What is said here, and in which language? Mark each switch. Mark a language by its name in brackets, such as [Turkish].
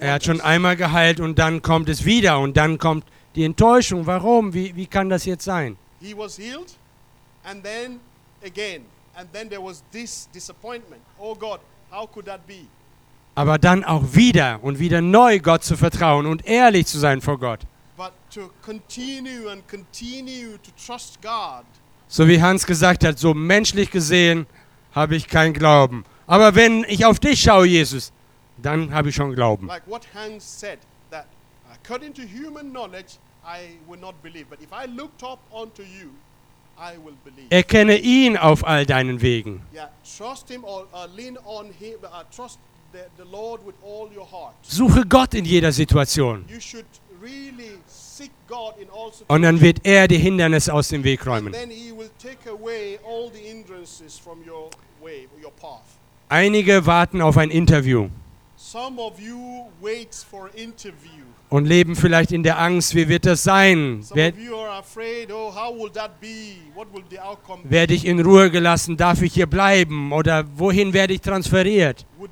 [English] wonders. [German] Er hat schon einmal geheilt und dann kommt es wieder und dann kommt die Enttäuschung. Warum? Wie kann das jetzt sein? [English] He was healed and then again and then there was this disappointment. Oh God, how could that be? [German] Aber dann auch wieder und wieder neu Gott zu vertrauen und ehrlich zu sein vor Gott. [English] But to continue and continue to trust God. [German] So wie Hans gesagt hat, so menschlich gesehen habe ich keinen Glauben. Aber wenn ich auf dich schaue, Jesus, dann habe ich schon Glauben. [English] Like what Hans said, that according to human knowledge, I will not believe. But if I looked up onto you, I will believe. [German] Erkenne ihn auf all deinen Wegen. [English] Yeah, trust him or lean on him. Trust the Lord with all your heart. [German] Suche Gott in jeder Situation. [English] You should really seek God in all situations. [German] Und dann wird er die Hindernisse aus dem Weg räumen. [English] And then he will take away all the hindrances from your way, your path. [German] Einige warten auf ein Interview. [English] Some of you wait for interview. [German] Und leben vielleicht in der Angst, wie wird das sein? Werde ich in Ruhe gelassen? Darf ich hier bleiben? Oder wohin werde ich transferiert?